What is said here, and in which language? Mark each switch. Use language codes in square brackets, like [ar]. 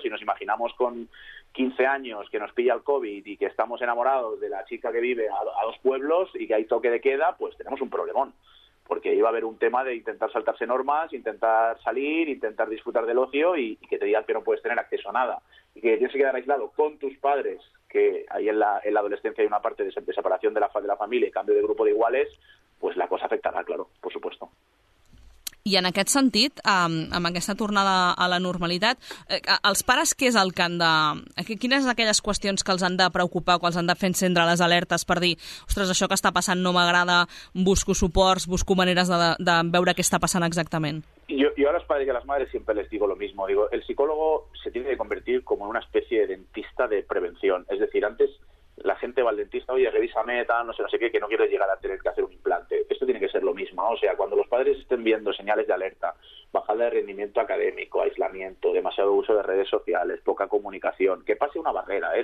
[es] Si nos imaginamos con 15 años que nos pilla el COVID y que estamos enamorados de la chica que vive a dos pueblos y que hay toque de queda, pues tenemos un problemón, porque iba a haber un tema de intentar saltarse normas, intentar salir, intentar disfrutar del ocio y que te digan que no puedes tener acceso a nada. Y que tienes que quedar aislado con tus padres, que ahí en la adolescencia hay una parte de separación de la familia y cambio de grupo de iguales, pues la cosa afectará, claro, por supuesto. [ca] I en aquest sentit, amb aquesta tornada a la normalitat, els pares, què és el que han de... Quines aquelles qüestions que els han de preocupar o que els han de fer encendre les alertes per dir, ostres, això que està passant no m'agrada, busco suports, busco maneres de veure què està passant exactament? [es] Yo a los padres y a las madres siempre les digo lo mismo. Digo, el psicólogo se tiene que convertir como en una especie de dentista de prevención. Es decir, antes la gente va al dentista, oye, revísame, tal, no sé qué, que no quiero llegar a tener que hacer un implante. Esto tiene que ser lo mismo. O sea, cuando los padres estén viendo señales de alerta, bajada de rendimiento académico, aislamiento, demasiado uso de redes sociales, poca comunicación, que pase una barrera, ¿eh?